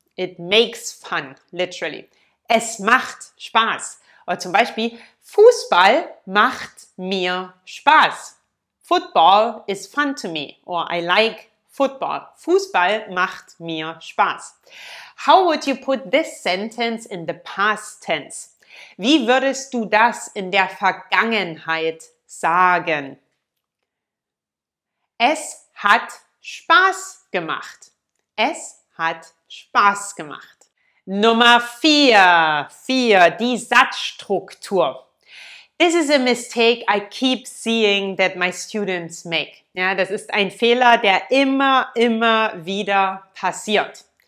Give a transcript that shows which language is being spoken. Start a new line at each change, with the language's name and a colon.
English: It makes fun, literally.
German: Es macht Spaß. Oder zum Beispiel, Fußball macht mir Spaß.
English: Football is fun to me. Or I like football.
German: Fußball macht mir Spaß.
English: How would you put this sentence in the past tense?
German: Wie würdest du das in der Vergangenheit sagen? Es hat Spaß gemacht. Es hat Spaß gemacht. Nummer 4, die Satzstruktur.
English: This is a mistake I keep seeing that my students make.
German: Ja, das ist ein Fehler, der immer, immer wieder passiert.